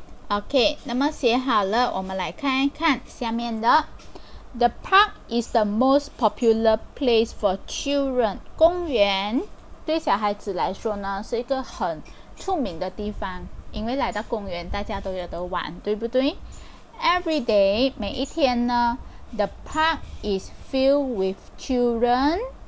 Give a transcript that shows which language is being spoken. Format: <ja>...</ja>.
<zh>OK， 那么写好了，我们来看一看下面的。</zh> <en>The park is the most popular place for children.</en> <zh>公园对小孩子来说呢，是一个很出名的地方。因为来到公园大家都有得玩，对不对？</zh> <en>Every day,</en> <zh>每一天呢，</zh> <en>The park is filled with children.</en>